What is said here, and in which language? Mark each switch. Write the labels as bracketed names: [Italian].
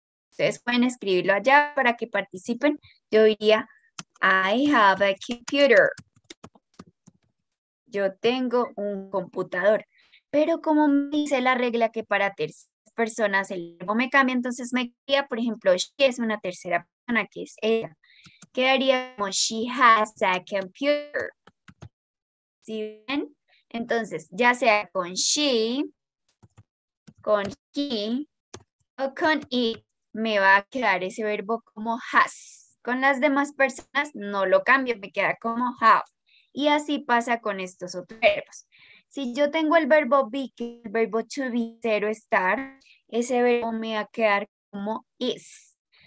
[Spanish] Ustedes pueden escribirlo allá para que participen. Yo diría, [English] I have a computer. [Spanish] Yo tengo un computador. Pero como me dice la regla que para terceras personas el verbo me cambia, entonces me quedaría, por ejemplo, she es una tercera persona, que es ella. Quedaría como, [English] she has a computer. [Spanish] ¿Sí ven? Entonces, ya sea con she, con he o con it, me va a quedar ese verbo como has. Con las demás personas no lo cambio, me queda como have. Y así pasa con estos otros verbos. Si yo tengo el verbo be, que es el verbo to be, ser o estar, ese verbo me va a quedar como is.